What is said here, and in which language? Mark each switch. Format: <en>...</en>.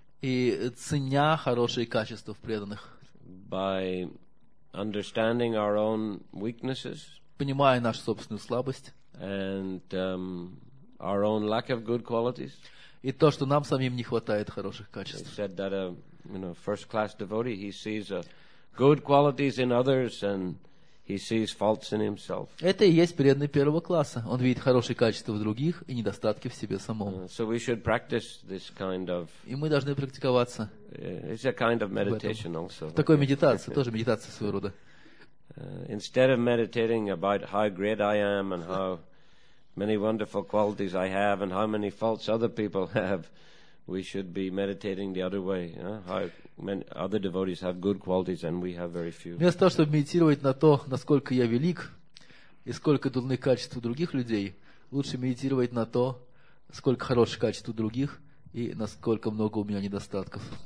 <ru>и ценя хорошие качества в преданных,</ru> <en>by understanding our own weaknesses,</en> <ru>понимая нашу собственную слабость,</ru> <en>and our own lack of good qualities,</en> <ru>и то, что нам самим не хватает хороших качеств.</ru> <en>He said that a first-class devotee, he sees good qualities in others and he sees faults in himself.</en> <ru>Это и есть преданный первого класса. Он видит хорошие качества в других и недостатки в себе самом.</ru> <en>So we should practice this kind of.</en> <ru>И мы должны практиковаться.</ru> <en>It's a kind of meditation also.</en> <ru>Такой медитация, тоже медитация своего рода.</ru> <en>Instead of meditating about how great I am and how many wonderful qualities I have and how many faults other people have, we should be meditating the other way. How many other devotees have good qualities and we have very few.</en> <ru>Вместо того, чтобы медитировать на то, насколько я велик и сколько дурных качеств у других людей, лучше медитировать на то, сколько хороших качеств у других и насколько много у меня недостатков.</ru>